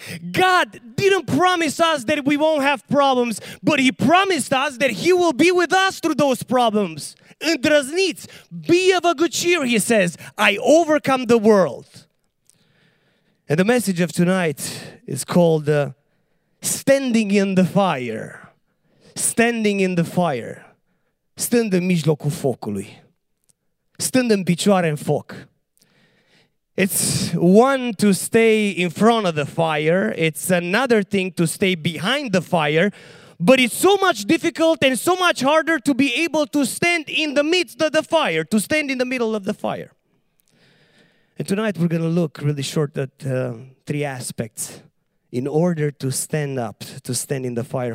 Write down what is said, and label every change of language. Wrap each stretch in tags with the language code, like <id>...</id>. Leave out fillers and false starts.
<en>God didn't promise us that we won't have problems, but he promised us that he will be with us through those problems.</en> <ro>Îndrăzniți,</ro> <en>be of a good cheer, he says, I overcome the world. And the message of tonight is called Standing in the Fire. Standing in the fire.</en> <ro>Stând în mijlocul focului. Stând în picioare în foc.</ro> <en>It's one to stay in front of the fire. It's another thing to stay behind the fire. But it's so much difficult and so much harder to be able to stand in the midst of the fire, to stand in the middle of the fire. And tonight we're going to look really short at three aspects in order to stand up, to stand in the fire.</en>